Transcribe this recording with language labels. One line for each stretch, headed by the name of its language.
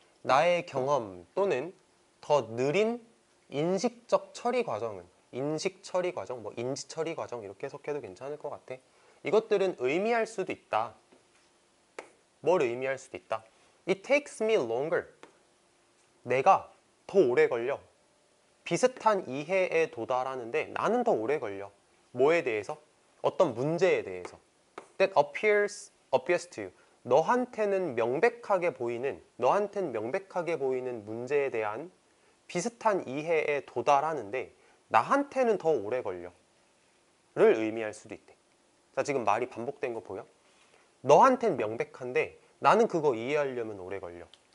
Korean: 나의 경험 또는 더 느린 인식적 처리 과정은 인식 처리 과정, 뭐 인지 처리 과정 이렇게 해석해도 괜찮을 것 같아. 이것들은 의미할 수도 있다. 뭘 의미할 수도 있다.
English: It takes me longer.
Korean: 내가 더 오래 걸려. 비슷한 이해에 도달하는데 나는 더 오래 걸려. 뭐에 대해서? 어떤 문제에 대해서.
English: That appears obvious to you.
Korean: 너한테는 명백하게 보이는, 너한테는 명백하게 보이는 문제에 대한 비슷한 이해에 도달하는데 나한테는 더 오래 걸려. 를 의미할 수도 있대. 자, 지금 말이 반복된 거 보여? 너한텐 명백한데 나는 그거 이해하려면 오래 걸려.